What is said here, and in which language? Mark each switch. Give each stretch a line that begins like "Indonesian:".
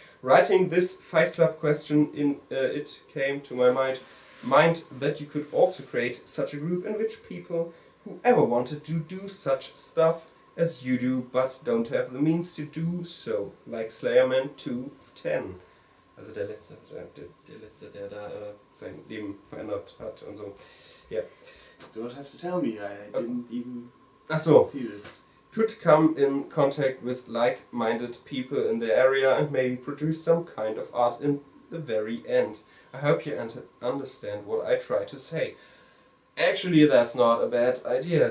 English: Writing this Fight Club question in it came to my mind that you could also create such a group in which people who ever wanted to do such stuff as you do but don't have the means to do so, like Slayerman 210.
German: Also der letzte, der da sein Leben verändert hat und so.
English: Yeah. Don't have to tell me, I didn't see this. Could come in contact with like-minded people in the area and maybe produce some kind of art in the very end. I hope you understand what I try to say. Actually, that's not a bad idea.